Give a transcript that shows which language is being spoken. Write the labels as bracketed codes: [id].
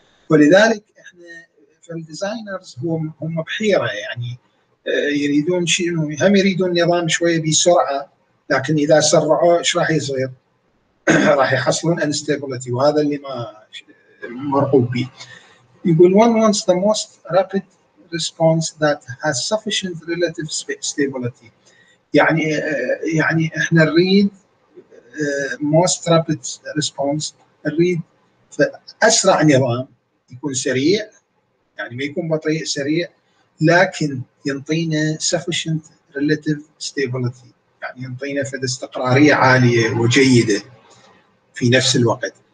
[ar] ولذلك إحنا فالديزاينرز هم بحيرة، يعني يريدون شيء، هم يريدون نظام شوية بسرعة، لكن إذا سرعوا إيش راح يصير؟ راح يحصلون instability، وهذا اللي ما مرغوب به. يقول [en] one wants the most rapid response that has sufficient relative stability. [ar] يعني إحنا نريد [en] most rapid response، [ar] نريد أسرع نظام يكون سريع، يعني ما يكون بطيء، سريع، لكن ينطينا [en] sufficient relative stability، [ar] يعني ينطينا فد استقرارية عالية وجيدة في نفس الوقت.